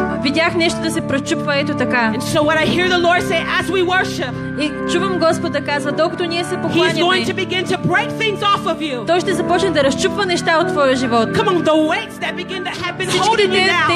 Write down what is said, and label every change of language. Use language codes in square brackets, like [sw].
[bg] Видях нещо да се пречупва ето така. [en] And so what I hear the Lord say as we worship. [bg] И чувам Господа казва, докато ние се покланяме. [en] He's going to begin to break things off of you. [bg] Той ще започне да разчупва неща от твоя живот. [en] Come on, the weights that begin to have been holding you down.